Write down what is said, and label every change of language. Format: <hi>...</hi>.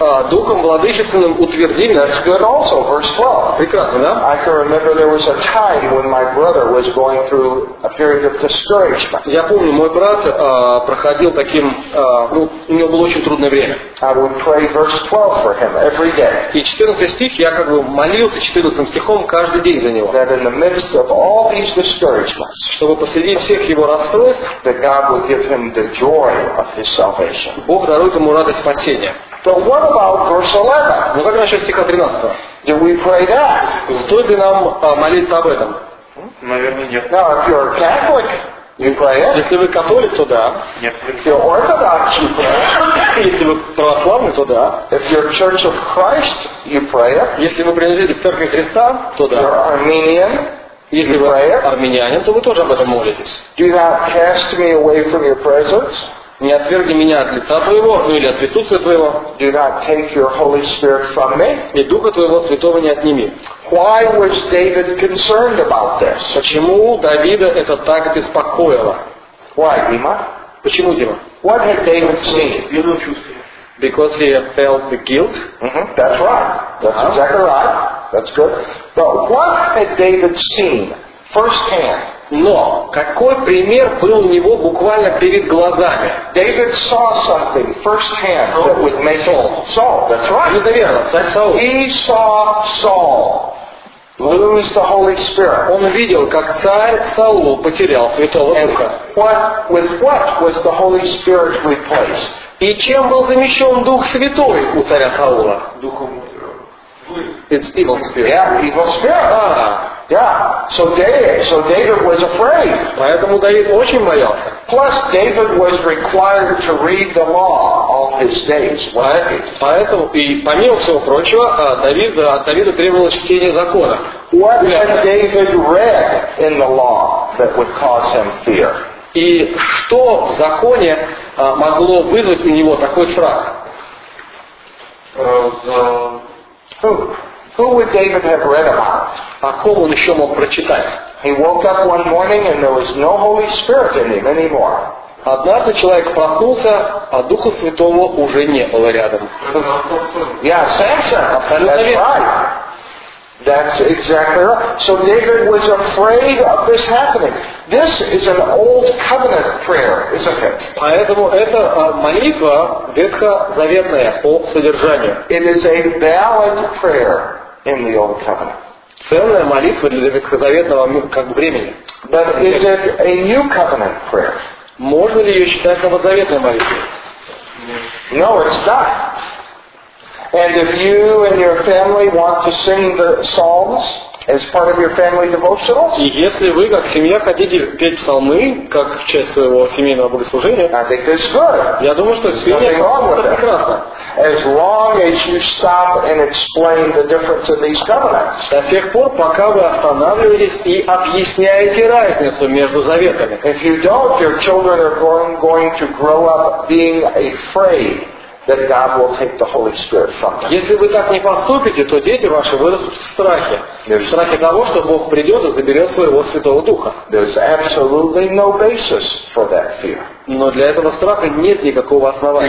<ru>Духом владычественным утверди меня.</ru> <en>That's good also, verse 12.</en> <ru>Прекрасно, да?</ru> <en>I can remember there was a time when my brother was going through a period of discouragement.</en> <ru>Я помню, мой брат проходил таким, ну, у него было очень трудное время.</ru> <en>I would pray verse 12 for him every day.</en> <ru>И 14 стих я как бы молился 14 стихом каждый день за него.</ru> <en>That in the midst of all these discouragements,</en> <ru>чтобы посреди всех его расстройств,</ru> <en>that God would give him the joy of his salvation.</en> <ru>Бог дарует ему радость спасения.</ru> <en>But what about verse 11?</en> <ru>Ну как насчет стиха 13?</ru> <en>Do we pray that?</en> <ru>Стоит ли нам молиться об этом? Наверное, нет.</ru> <en>Now, if you're a Catholic, you pray it.</en> <ru>Если вы католик, то да. Нет.</ru> <en>If you're Orthodox, you pray.</en> <ru>Если вы православный, то да.</ru> <en>If you're Church of Christ, you pray it.</en> <ru>Если вы принадлежите к Церкви Христа, то да.</ru> <en>If you're Armenian,</en> <ru>если</ru> <en>you pray</en> <ru>вы армянин, то вы тоже об этом молитесь.</ru> <en>Do not cast me away from your presence.</en> <ru>Не отверги меня от лица твоего, ну или от присутствия твоего.</ru> <en>Do not take your Holy Spirit from me.</en> <ru>И Духа твоего святого не отними.</ru> <en>Why was David concerned about this?</en> <ru>Почему Давида это так беспокоило?</ru> <en>Why, Дима?</en> <ru>Почему, Дима?</ru> <en>What had David seen?</en> <ru>Вину чувствовал.</ru> <en>Because he had felt the guilt. Mm-hmm. That's right. That's exactly right. That's good. But what had David seen firsthand?</en> <ru>Но какой пример был у него буквально перед глазами?</ru> <en>David saw something firsthand that would make Saul. Saul, that's right.</en> <ru>Неверно, Saul.</ru> <en>He saw Saul lose the Holy Spirit.</en> <ru>Он увидел, как царь Саул потерял Святого Духа.</ru> <en>What, with what was the Holy Spirit replaced?</en> <ru>И чем был замещен Дух Святой у царя Саула? Духом.</ru> <en>It's evil spirit. Yeah, evil spirit. Ah. Yeah. So David was afraid.</en> <ru>Поэтому Давид очень боялся.</ru> <en>Plus, David was required to read the law all his days.</en> <ru>Поэтому и помимо всего прочего, от Давида требовалось чтение закона.</ru> <en>What had David read in the law that would cause him fear?</en> <ru>И что в законе могло вызвать у него такой страх?</ru> <en>Who would David have read about?</en> <ru>О ком он еще мог прочитать?</ru> <en>He woke up one morning and there was no Holy Spirit in him anymore.</en> <ru>Однажды человек проснулся, а Духа Святого уже не было рядом.</ru> <en>Yeah, Samson.</en> <ru>Абсолютно верно.</ru> <en>That's exactly right. So David was afraid of this happening. This is an old covenant prayer, isn't it?</en> <ru>Поэтому это молитва ветхозаветная по содержанию.</ru> <en>It is a valid prayer in the old covenant.</en> <ru>Ценная молитва для ветхозаветного как времени.</ru> <en>But is it a new covenant prayer?</en> <ru>Можно ли ее считать новозаветной молитвой?</ru> <en>No, it's not. And if you and your family want to sing the psalms as part of your family devotionals,</en> <ru>и если вы как семья хотите петь псалмы как часть своего семейного богослужения,</ru> <en>I think that's good.</en> <ru>Я думаю, что</ru> <en>there's nothing wrong with that. As long as you stop and explain the difference in these covenants.</en> <ru>До тех пор, пока вы останавливаетесь и объясняете разницу между заветами.</ru> <en>If you don't, your children are going to grow up being afraid. That God will take the Holy Spirit from them.</en> <ru>Если вы так не поступите, то дети ваши вырастут в страхе. В страхе того, что Бог придет и заберет своего Святого Духа.</ru> <en>There's absolutely no basis for that fear.</en> <ru>Но для этого страха нет никакого основания.</ru>